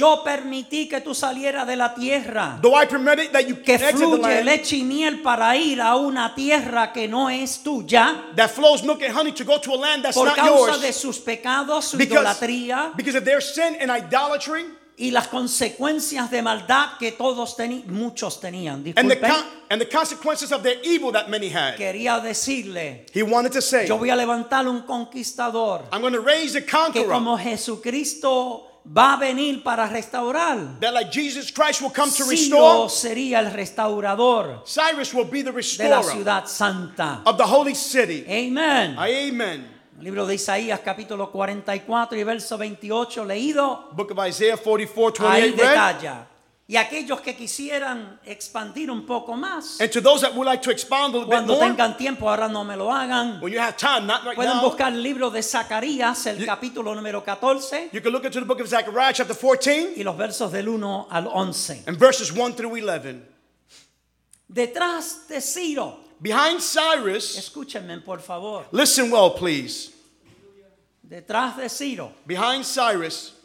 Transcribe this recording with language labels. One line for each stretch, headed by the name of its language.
Spanish: Aunque yo permití que tú salieras de la tierra.
English: Though I permitted that you
Spanish: que
English: exit
Spanish: fluye
English: the land,
Spanish: leche y miel para ir a una tierra que no es tuya.
English: That flows milk and honey to go to a land that's not yours.
Spanish: Por causa de sus pecados, su idolatría.
English: Because of their sin and idolatry.
Spanish: Y las consecuencias de maldad que todos muchos tenían.
English: And the consequences of their evil that many had.
Spanish: Quería decirle,
English: he wanted to say,
Spanish: yo voy a levantar un conquistador.
English: I'm going to raise a conqueror.
Spanish: Que como Jesucristo va a venir para restaurar.
English: That like Jesus Christ will come to
Spanish: Ciro
English: restore.
Spanish: Sería el restaurador.
English: Cyrus will be the restorer.
Spanish: De la ciudad santa.
English: Of the holy city.
Spanish: Amen.
English: Amen.
Spanish: Libro de Isaías capítulo 44 y verso 28 leído.
English: Book of Isaiah 44:28 read.
Spanish: Ahí detalla. Y aquellos que quisieran expandir un poco más.
English: And to those that would like to expand a little
Spanish: cuando
English: bit more.
Spanish: Cuando tengan tiempo, ahora no me lo hagan.
English: When you have time, not right now.
Spanish: Pueden buscar el libro de Zacarías el capítulo número 14.
English: You can look into the book of Zechariah chapter 14.
Spanish: Y los versos del 1 al 11.
English: And verses 1 through 11.
Spanish: Detrás de Ciro.
English: Behind Cyrus,
Spanish: escúchenme, por favor.
English: Listen well, please.
Spanish: Detrás de Ciro,
English: behind Cyrus,